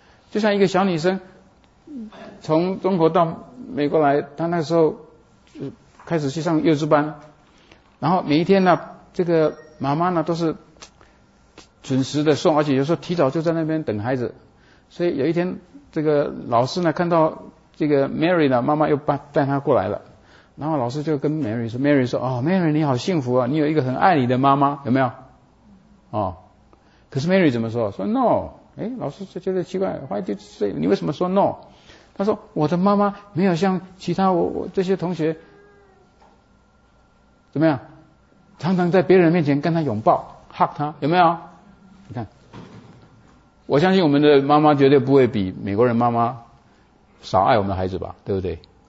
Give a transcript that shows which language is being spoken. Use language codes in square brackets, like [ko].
[zh] 就像一个小女生从中国到美国来，她那时候开始去上幼稚班，然后每一天呢这个妈妈呢都是准时的送，而且有时候提早就在那边等孩子，所以有一天这个老师呢看到这个 Mary 呢，妈妈又带她过来了，然后老师就跟 Mary 说 ，Mary 说，哦 ，Mary 你好幸福啊，你有一个很爱你的妈妈，有没有？可是 Mary 怎么说？说 No， 哎，老师就觉得奇怪 ， [en] Why did you say？ [zh] 你为什么说 No？他说我的妈妈没有像其他我这些同学怎么样，常常在别人面前跟她拥抱 ，hug 她，有没有？你看，我相信我们的妈妈绝对不会比美国人妈妈少爱我们的孩子吧，对不对？